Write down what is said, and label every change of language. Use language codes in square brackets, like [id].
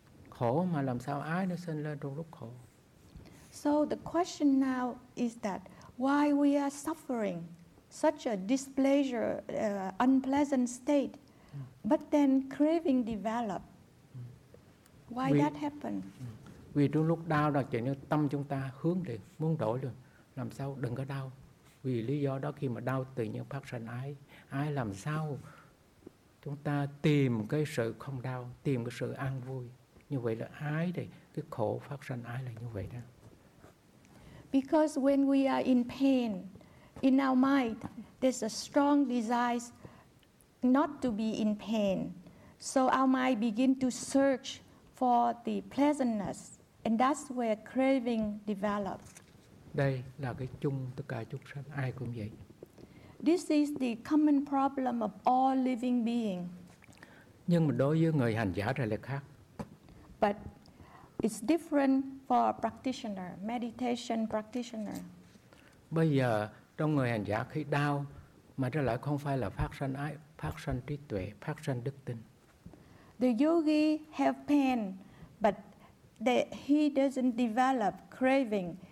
[vi] Khổ mà làm sao ái nó sinh lên trong lúc khổ? [en] So the question now is that why we are suffering such a displeasure, unpleasant state, but then craving develop. Why that happen? [vi] Vì trong lúc đau là chuyện tâm chúng ta hướng để muốn đổi được, làm sao đừng có đau. Vì lý do đó khi mà đau tự nhiên phát sinh ái, ái làm sao chúng ta tìm cái sự không đau, tìm cái sự an vui. Như vậy là ái đây, cái khổ phát sinh ái là như vậy đó. [en] Because when we are in pain, in our mind, there's a strong desire not to be in pain. So our mind begin to search for the pleasantness, and that's where craving develops. [vi] Đây là cái chung tất cả chúng sanh, ai cũng vậy. [en] This is the common problem of all living beings. [vi] Nhưng mà đối với người hành giả thì lại khác. [en] But it's different for a practitioner, meditation practitioner. [vi] Bây giờ trong người hành giả khi đau mà ra lại không phải là phát sanh ái, phát sanh trí tuệ, phát sanh đức tin. [en] The yogi have pain, but he doesn't develop craving.